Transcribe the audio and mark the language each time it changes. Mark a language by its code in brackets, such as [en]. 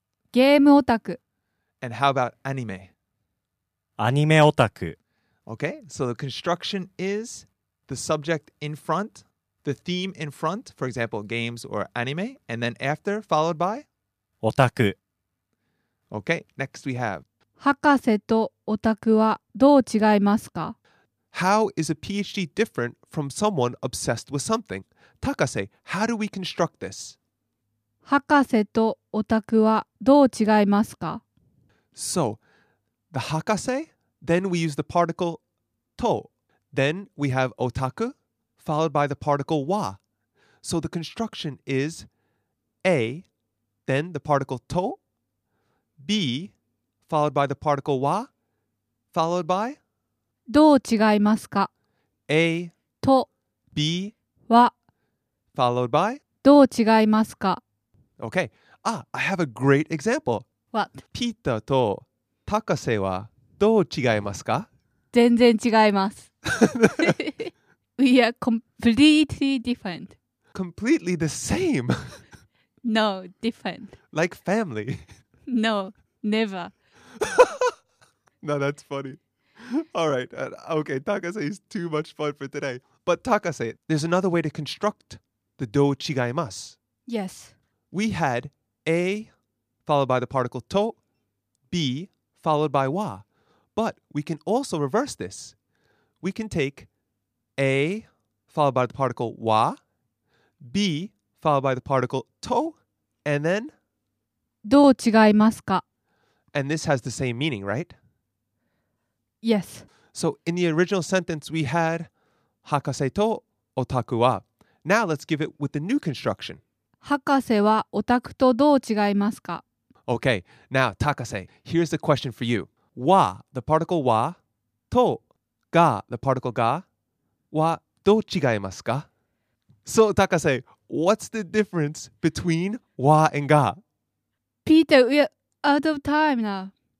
[ja] ゲームオタク。 [en] And how about anime? [ja] アニメオタク。 [en] Okay, so the construction is the subject in front, the theme in front, for example, games or anime, and then after, followed by? [ja] オタク。 [en] Okay, next we have. [ja] 博士とオタクはどう違いますか? [en] How is a PhD different from someone obsessed with something? Takase, how do we construct this? [ja] 博士とオタクはどう違いますか? [en] So, the 博士...Then we use the particle to. Then we have otaku, followed by the particle wa. So the construction is A, then the particle to, B, followed by the particle wa, followed by? [ja] どう違いますか? A, と, B, wa, [en] followed by? [ja] どう違いますか? [en] Okay. Ah, I have a great example. What? [ja] ピーターとタカセはどう違いますか? 全然違います。 [en] We are completely different. Completely the same. No, different. Like family. No, never. No, that's funny. All right. Okay, Takase is too much fun for today. But Takase, there's another way to construct the [ja] どう違います. [en] Yes. We had A followed by the particle と, B followed by は. But we can also reverse this. We can take A followed by the particle wa, B followed by the particle to, and then? [ja] どう違いますか? [en] And this has the same meaning, right? Yes. So in the original sentence, we had [ja] 博士とオタクは. [en] Now let's give it with the new construction. [ja] 博士はオタクとどう違いますか? [en] Okay, now Takase, here's the question for you. [ja] わ、 [en] the particle [ja] わ、と、が、the particle が、は、どう違いますか? [en] So, Takase, what's the difference between わ and が? Peter, we're out of time now.